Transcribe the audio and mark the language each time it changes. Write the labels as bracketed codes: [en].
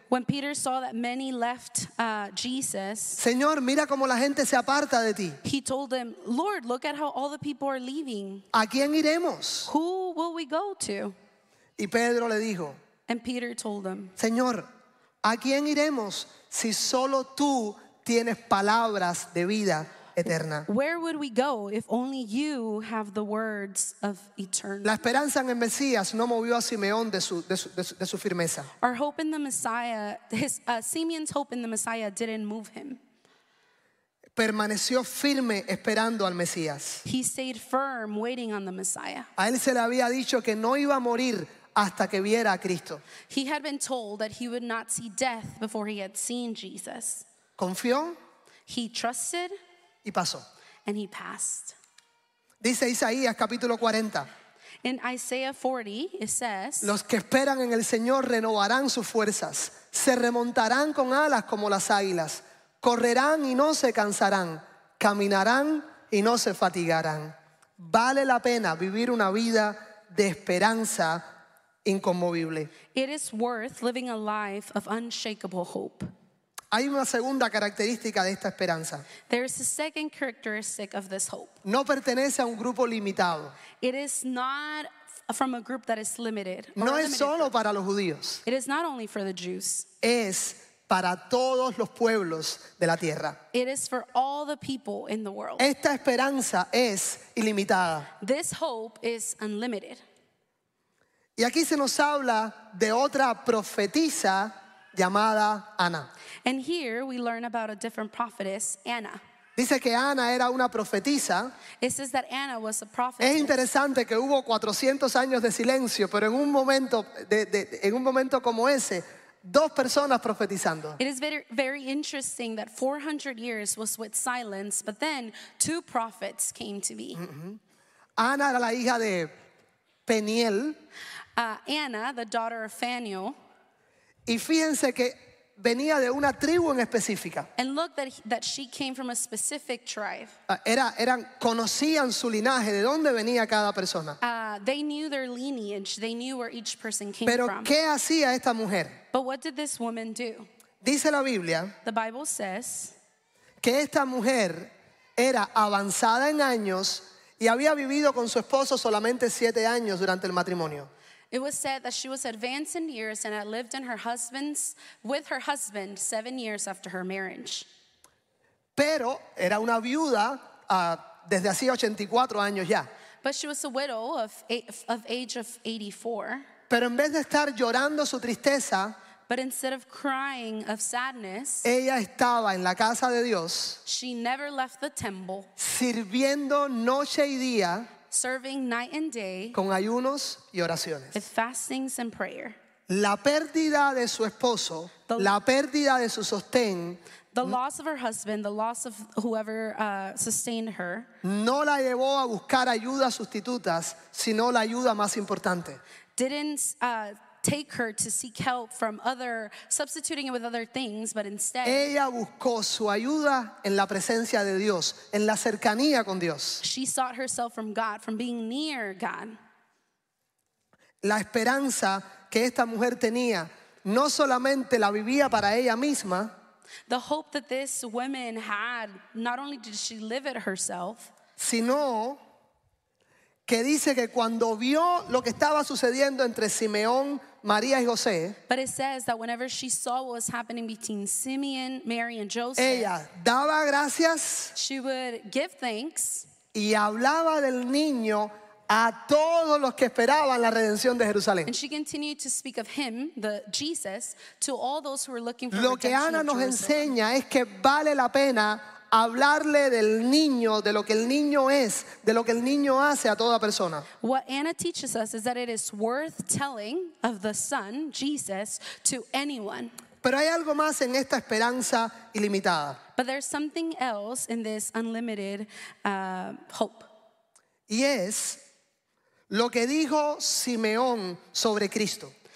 [en] when Peter saw that many left Jesus, [es] Señor, mira cómo la gente se aparta de ti. [en] He told them, Lord, look at how all the people are leaving. [es] ¿A quién iremos? [en] Who will we go to? [es] Y Pedro le dijo, [en] and Peter told them, [es] Señor, ¿a quién iremos si solo tú tienes palabras de vida eterna? [en] Where would we go if only you have the words of eternal? [es] La esperanza en el Mesías no movió a Simeón de su firmeza. [en] Our hope in the Messiah, Simeon's hope in the Messiah didn't move him. [es] Permaneció firme esperando al Mesías. [en] He stayed firm waiting on the Messiah. [es] A él se le había dicho que no iba a morir hasta que viera a Cristo. [en] He had been told that he would not see death before he had seen Jesus. [es] Confió. [en] He trusted. [es] Y pasó. [en] And he passed. [es] Dice Isaías capítulo 40. [en] In Isaiah 40 it says, [es] los que esperan en el Señor renovarán sus fuerzas, se remontarán con alas como las águilas, correrán y no se cansarán, caminarán y no se fatigarán. Vale la pena vivir una vida de esperanza inconmovible. [en] It is worth living a life of unshakable hope. [es] Hay una segunda característica de esta esperanza. [en] There is a second characteristic of this hope. [es] No pertenece a un grupo limitado. [en] It is not from a group that is limited. [es] No es solo para los judíos. [en] It is not only for the Jews. [es] Es para todos los pueblos de la tierra. [en] It is for all the people in the world. [es] Esta esperanza es ilimitada. [en] This hope is unlimited. [es] Y aquí se nos habla de otra profetisa llamada Ana. [en] And here we learn about a different prophetess, Anna. [es] Dice que Ana era una profetisa. [en] It says that Anna was a prophetess. [es] Es interesante que hubo 400 años de silencio, pero en un momento en un momento como ese, dos personas profetizando. [en] It is very, very interesting that 400 years was with silence, but then two prophets came to be. Mm-hmm. [es] Ana era la hija de Peniel. [en] Anna, the daughter of Phanuel. [es] Y fíjense que venía de una tribu en específica. [en] And look that she came from a specific tribe. [es] Eran conocían su linaje, de dónde venía cada persona. [en] They knew their lineage. They knew where each person came [es] Pero [en] from. [es] Pero ¿qué hacía esta mujer? [en] But what did this woman do? [es] Dice la Biblia. [en] The Bible says [es] que esta mujer era avanzada en años y había vivido con su esposo solamente 7 años durante el matrimonio. [en] It was said that she was advanced in years and had lived in her husband's with her husband 7 years after her marriage. [es] Pero era una viuda desde hacía 84 años ya. [en] But she was a widow of age of 84. [es] Pero en vez de estar llorando su tristeza, [en] but instead of crying of sadness, [es] ella estaba en la casa de Dios. [en] She never left the temple. [es] Sirviendo noche y día. [en] Serving night and day, [es] con ayunos y oraciones, [en] with fastings and prayer. [es] La pérdida de su esposo, la pérdida de su sostén, [en] the loss of her husband, the loss of whoever sustained her, [es] no la llevó a buscar ayudas sustitutas, sino la ayuda más importante. [en] Didn't take her to seek help from other, substituting it with other things, but instead, [es] ella buscó su ayuda en la presencia de Dios, en la cercanía con Dios. [en] She sought herself from God, from being near God. [es] La esperanza que esta mujer tenía, no solamente la vivía para ella misma. [en] The hope that this woman had, not only did she live it herself, [es] sino que dice que cuando vio lo que estaba sucediendo entre Simeón, María y José, [en] but it says that whenever she saw what was happening between Simeon, Mary and Joseph, [es] ella daba gracias, [en] she would give thanks, [es] y hablaba del niño a todos los que esperaban la redención de Jerusalén. [en] And she continued to speak of him, the Jesus, to all those who were looking for redemption. [es] Lo que Ana nos enseña es que vale la pena hablarle del niño, de lo que el niño es, de lo que el niño hace a toda persona. [en] What Anna teaches us is that it is worth telling of the Son, Jesus, to anyone. [es] Pero hay algo más en esta esperanza ilimitada. [en] But there's something else in this unlimited hope. [es] Y es lo que dijo Simeón sobre Cristo.